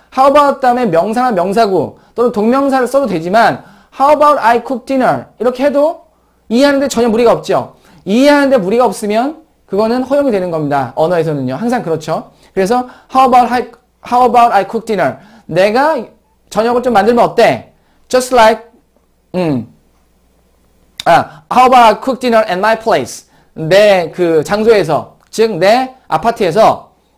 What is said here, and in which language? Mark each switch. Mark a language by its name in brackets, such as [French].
[Korean] How about 다음에 명사나 명사구 또는 동명사를 써도 되지만 [English] How about I cook dinner? [Korean] 이렇게 해도 이해하는데 전혀 무리가 없죠. 이해하는데 무리가 없으면 그거는 허용이 되는 겁니다. 언어에서는요. 항상 그렇죠. 그래서 [English] How about I cook dinner? [Korean] 내가 저녁을 좀 만들면 어때? [English] Just like... How about I cook dinner at my place? [Korean] 내 그 장소에서, 즉 내 아파트에서.